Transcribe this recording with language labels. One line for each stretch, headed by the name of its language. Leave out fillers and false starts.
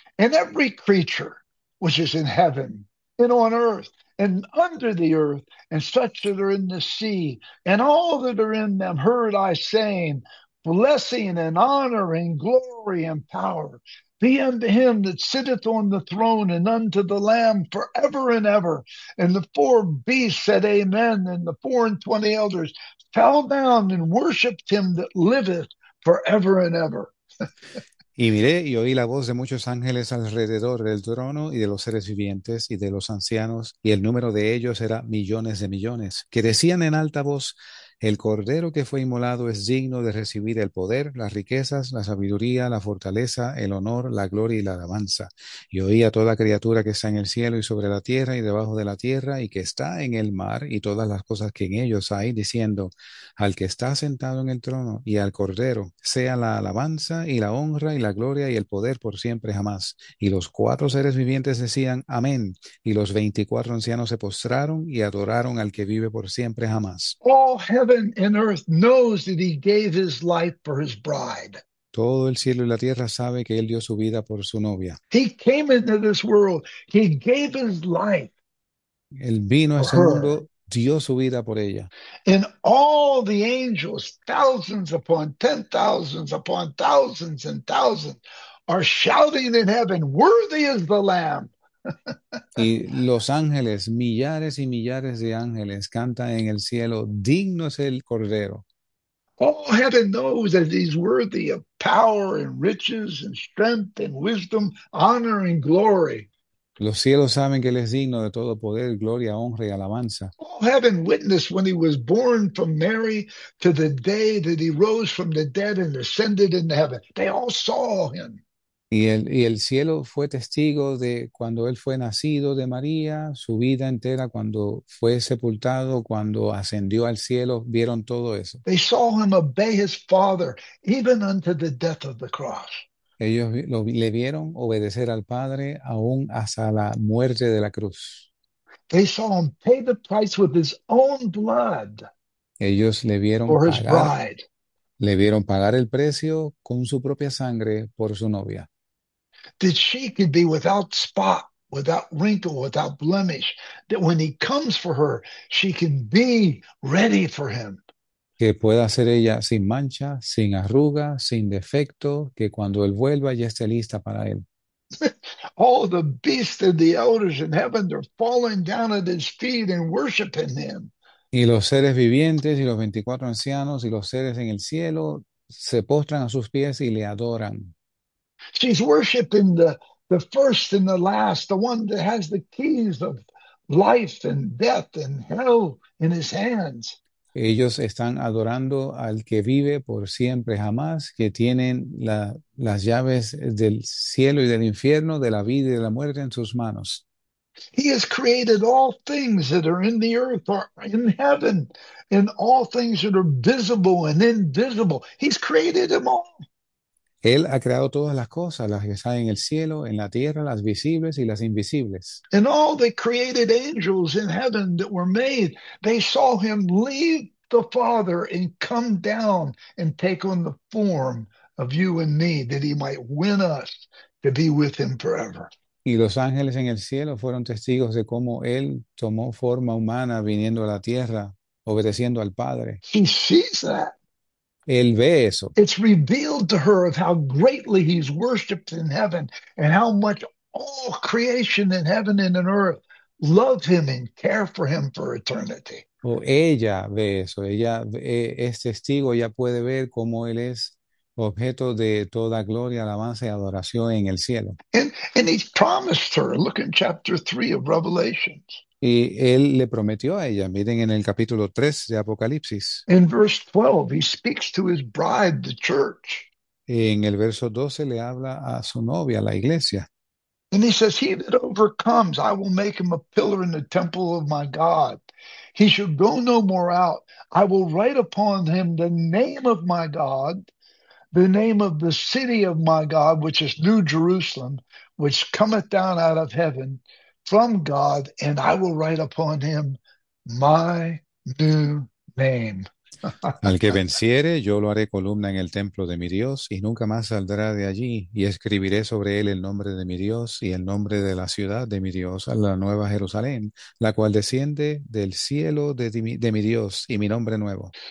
English: And every creature which is in heaven and on earth and under the earth, and such that are in the sea, and all that are in them, heard I saying, blessing and honor and glory and power be unto him that sitteth on the throne and unto the Lamb forever and ever." And the four beasts said, "Amen." And the 24 elders fell down and worshipped him that liveth forever and ever.
Spanish: Y miré y oí la voz de muchos ángeles alrededor del trono y de los seres vivientes y de los ancianos, y el número de ellos era millones de millones, que decían en alta voz: El Cordero que fue inmolado es digno de recibir el poder, las riquezas, la sabiduría, la fortaleza, el honor, la gloria y la alabanza. Y oí a toda criatura que está en el cielo y sobre la tierra y debajo de la tierra y que está en el mar y todas las cosas que en ellos hay, diciendo: Al que está sentado en el trono y al Cordero, sea la alabanza y la honra y la gloria y el poder por siempre jamás. Y los cuatro seres vivientes decían: Amén. Y los 24 ancianos se postraron y adoraron al que vive por siempre jamás.
English: All heaven and earth knows that he gave his life for his bride.
Spanish: Todo el cielo y la tierra sabe que él dio su vida por su novia.
English: He came into this world. He gave his life
Spanish: Él vino a
English: for
Spanish: ese
English: her.
Spanish: mundo, dio su vida por ella.
English: And all the angels, thousands upon ten thousands upon thousands and thousands, are shouting in heaven, "Worthy is the Lamb."
Spanish: Y los ángeles, millares y millares de ángeles, cantan en el cielo, digno es el Cordero.
English: All heaven knows that he's worthy of power and riches and strength and wisdom, honor and glory.
Spanish: Los cielos saben que él es digno de todo poder, gloria, honra y alabanza.
English: All heaven witnessed when he was born from Mary to the day that he rose from the dead and ascended into heaven. They all saw him.
Spanish: Y el cielo fue testigo de cuando él fue nacido de María, su vida entera, cuando fue sepultado, cuando ascendió al cielo, vieron todo eso.
English: They saw him obey his father, even unto the death of the cross.
Spanish: Le vieron obedecer al Padre aún hasta la muerte de la cruz.
English: They saw him pay the price with his own blood
Spanish: Ellos
English: for his bride.
Spanish: le vieron pagar el precio con su propia sangre por su novia.
English: That she could be without spot, without wrinkle, without blemish, that when he comes for her, she can be ready for him.
Spanish: Que pueda ser ella sin mancha, sin arruga, sin defecto, que cuando él vuelva ya esté lista para él.
English: All the beasts and the elders in heaven are falling down at his feet and worshiping him.
Spanish: Y los seres vivientes y los 24 ancianos y los seres en el cielo se postran a sus pies y le adoran.
English: She's worshiping the first and the last, the one that has the keys of life and death and hell in his hands.
Spanish: Ellos están adorando al que vive por siempre, jamás, que tienen las llaves del cielo y del infierno, de la vida y de la muerte en sus manos.
English: He has created all things that are in the earth or in heaven, and all things that are visible and invisible. He's created them all.
Spanish: Él ha creado todas las cosas, las que están en el cielo, en la tierra, las visibles y las invisibles.
English: And all the created angels in heaven that were made, they saw him leave the Father and come down and take on the form of you and me, that he might win us to be with him forever.
Spanish: Y los ángeles en el cielo fueron testigos de cómo él tomó forma humana viniendo a la tierra, obedeciendo al Padre.
English: He sees that.
Spanish: Él ve eso.
English: It's revealed to her of how greatly he's worshipped in heaven and how much all creation in heaven and in earth love him and care for him for eternity.
Spanish: O ella ve eso. Ella es testigo, ella puede ver cómo él es objeto de toda gloria, alabanza y adoración en el cielo.
English: And he's promised her. Look in chapter 3 of Revelations.
Spanish: Y él le prometió a ella, miren en el capítulo 3 de Apocalipsis.
English: In verse 12, he speaks to his bride, the church.
Spanish: Y en el verso 12 le habla a su novia, la iglesia.
English: And he says, "He that overcomes, I will make him a pillar in the temple of my God. He shall go no more out. I will write upon him the name of my God, the name of the city of my God, which is New Jerusalem, which cometh down out of heaven from God, and I will write upon him my new name."
Spanish: Al que venciere, yo lo haré columna en el templo de mi Dios y nunca más saldrá de allí, y escribiré sobre él el nombre de mi Dios y el nombre de la ciudad de mi Dios, la nueva Jerusalén, la cual desciende del cielo de mi Dios y mi nombre nuevo.